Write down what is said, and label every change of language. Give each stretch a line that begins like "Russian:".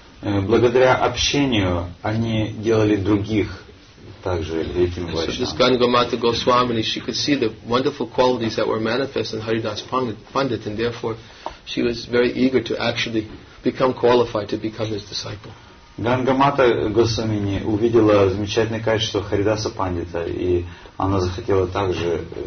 Russian: Благодаря общению они делали других также великими Vaishnavas.
English: So this Ganga Mata Goswami, she could see the wonderful qualities that were manifest in Haridas Pandit, and therefore she was very eager to actually become qualified to become his disciple.
Russian: Гангамата Госвамини увидела замечательное качество Харидаса Пандита, и она захотела также